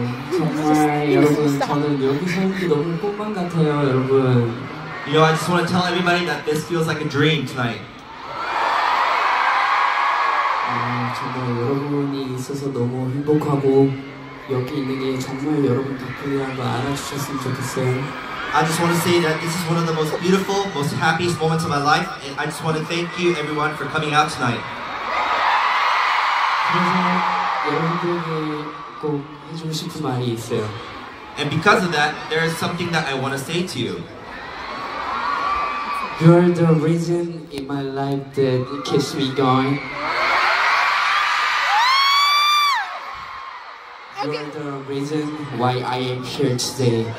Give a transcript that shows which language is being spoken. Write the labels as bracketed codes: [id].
[ko] 정말 여러분 저는 여기서 이렇게 너무 꽃만 같아요 여러분 [en] You know, I just want to tell everybody that this feels like a dream tonight. [ko] 정말 여러분이 있어서 너무 행복하고 여기 있는 게 정말 여러분 덕분이라는 거 알아주셨으면 좋겠어요. [en] I just want to say that this is one of the most beautiful, most happiest moments of my life. And I just want to thank you, everyone, for coming out tonight. [ko] 그래서 여러분들에게 꼭 해주고 싶은 말이 있어요. [en] And because of that, there is something that I want to say to you. You're the reason in my life that it keeps me going. Okay. You're the reason why I am here today.